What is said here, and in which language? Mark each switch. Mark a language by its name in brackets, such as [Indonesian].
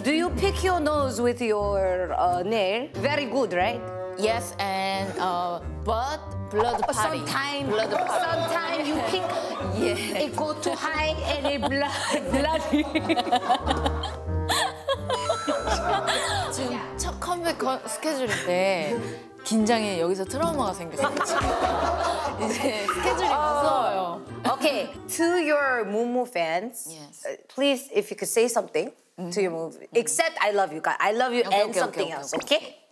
[English] Do you pick your nose with your nail? Very good, right? Yes, and but blood party. Sometimes. Blood party. Sometimes you pick. Yeah. It go too high and it bloody. [Korean] 지금 첫 컴백 스케줄인데 긴장에 여기서 트라우마가 생겼어. 이제 스케줄이 무서워요. [English] Okay, to your Moomoo fans, yes. Please, if you could say something mm-hmm. to your Moomoo, mm-hmm. except I love you, guys. I love you okay, and okay, something okay, else, okay?